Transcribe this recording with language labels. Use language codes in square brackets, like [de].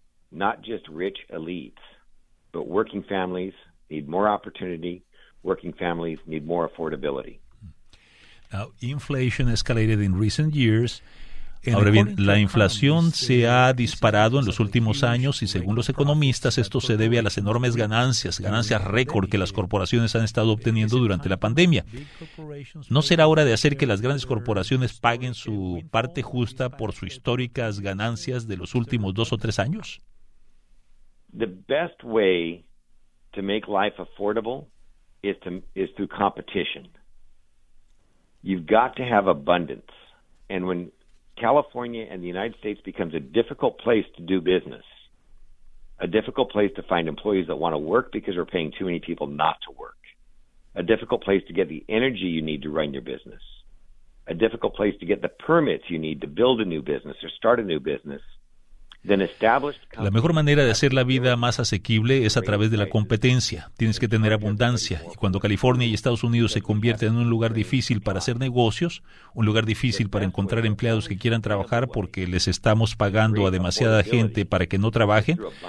[en] Not just rich elites, but working families need more opportunity. Working families need more affordability. Now, inflation escalated in recent years. [es] Ahora bien, la inflación se ha disparado en los últimos años y, según los economistas, esto se debe a las enormes ganancias, ganancias récord que las corporaciones han estado obteniendo durante la pandemia. ¿No será hora de hacer que las grandes corporaciones paguen su parte justa por sus históricas ganancias de los últimos 2 o 3 años? [en] The best way to make life affordable is through competition. You've got to have abundance. And when California and the United States becomes a difficult place to do business, a difficult place to find employees that want to work because we're paying too many people not to work, a difficult place to get the energy you need to run your business, a difficult place to get the permits you need to build a new business or start a new business, [es] la mejor manera de hacer la vida más asequible es a través de la competencia. Tienes que tener abundancia. Y cuando California y Estados Unidos se convierten en un lugar difícil para hacer negocios, un lugar difícil para encontrar empleados que quieran trabajar porque les estamos pagando a demasiada gente para que no trabajen,